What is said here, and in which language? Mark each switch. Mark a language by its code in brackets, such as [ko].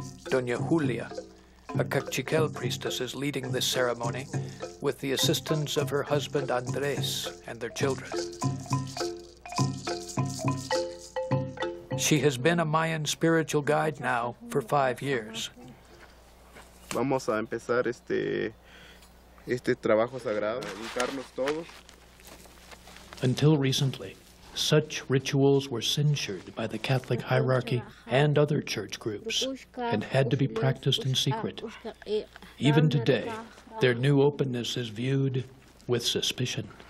[en] Doña Julia, a Kakchikel priestess, is leading this ceremony with the assistance of her husband Andres and their children. She has been a Mayan spiritual guide now for 5 years. [es] Vamos a empezar este trabajo sagrado, dedicarnos todos. [en] Until recently, such rituals were censured by the Catholic hierarchy and other church groups and had to be practiced in secret. Even today, their new openness is viewed with suspicion.